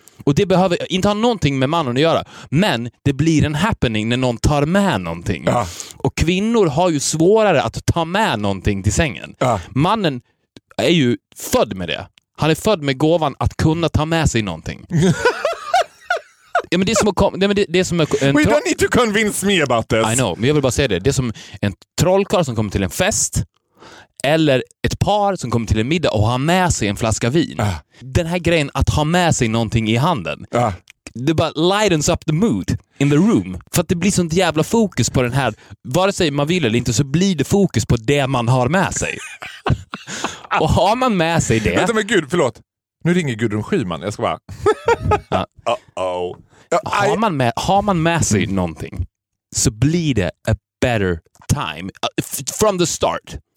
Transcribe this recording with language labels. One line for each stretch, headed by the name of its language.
Swedish: Och det behöver inte ha någonting med mannen att göra. Men det blir en happening när någon tar med någonting. Och kvinnor har ju svårare att ta med någonting till sängen. Mannen är ju född med det. Han är född med gåvan att kunna ta med sig någonting. Ja, men det är som en
English: We don't need to convince me about this. I know,
Swedish: men jag vill bara säga det. Det är som en trollkarl som kommer till en fest. Eller ett par som kommer till en middag och har med sig en flaska vin. Den här grejen att ha med sig någonting i handen. Det bara
English: lightens up the mood in the room.
Swedish: För att det blir sånt jävla fokus på den här. Vare sig man vill eller inte så blir det fokus på det man har med sig. Och har man med sig det... Vänta, men gud, förlåt. Nu ringer Gudrun Schyman. Jag ska bara... Uh-oh. Har man med sig någonting så blir det
English: a better time. From the start.